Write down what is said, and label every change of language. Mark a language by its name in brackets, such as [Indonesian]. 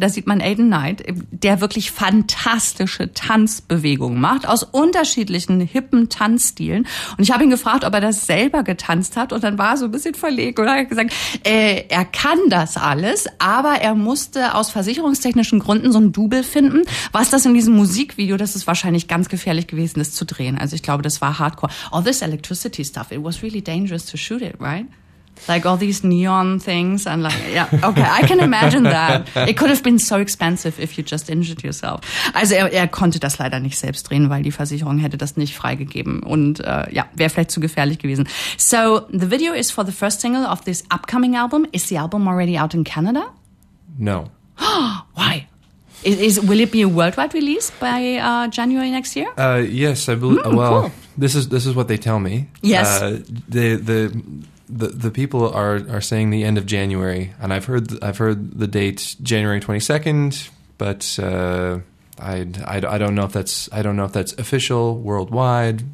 [German] Da sieht man Aiden Knight, der wirklich fantastische Tanzbewegungen macht, aus unterschiedlichen hippen Tanzstilen. Und ich habe ihn gefragt, ob er das selber getanzt hat. Und dann war er so ein bisschen verlegt und hat gesagt, er kann das alles, aber er musste aus versicherungstechnischen Gründen so ein Double finden. Was das in diesem Musikvideo, das ist wahrscheinlich ganz gefährlich gewesen, das zu drehen. Also ich glaube, das war hardcore. [English] All this electricity stuff, it was really dangerous to shoot it, right? Like all these neon things and like, yeah, okay, I can imagine that. It could have been so expensive if you just injured yourself. [German] Also er konnte das leider nicht selbst drehen, weil die Versicherung hätte das nicht freigegeben und ja, wäre vielleicht zu gefährlich gewesen. [English] So the video is for the first single of this upcoming album. Is the album already out in Canada? No. Why? Will it be a worldwide release by January next year? Yes, I believe. Well, cool. This is what they tell me. Yes, the people are saying the end of January, and I've heard the date January 22nd, but I don't know if that's official worldwide.